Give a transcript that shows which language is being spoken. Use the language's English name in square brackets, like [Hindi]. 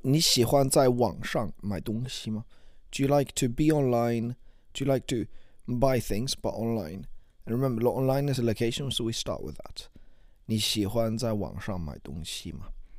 [Chinese] 你喜欢在网上买东西吗? [English] Do you like to be online? Do you like to buy things but online? And remember, online is a location, so we start with that. [Chinese] 你喜欢在网上买东西吗?